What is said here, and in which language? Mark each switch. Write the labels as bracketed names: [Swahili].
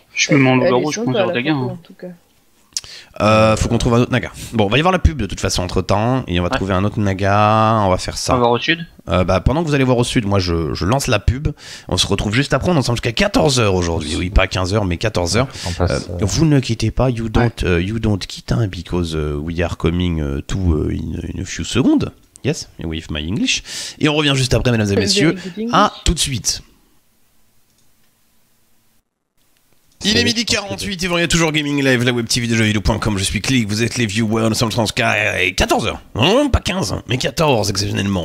[French] Je mets mon loup-garou, je prends des dégâts. En tout cas. Faut qu'on trouve un autre naga. Bon, on va y avoir la pub de toute façon entre temps. Et on va trouver un autre naga. On va faire ça. On va voir au sud. Bah, pendant que vous allez voir au sud, moi je lance la pub. On se retrouve juste après. On est ensemble jusqu'à 14h aujourd'hui. Oui, pas 15h, mais 14h. Vous ne quittez pas. [English] You don't quit. Hein, because we are coming to in a few seconds. Yes, with my English. [French] Et on revient juste après, mesdames et messieurs. À tout de suite. Il est midi 48 et vous voyez toujours Gaming Live, la web TV de jeuxvideo.com. Je suis Click, vous êtes les viewers, nous sommes le 14h. Non, pas 15, mais 14 exceptionnellement.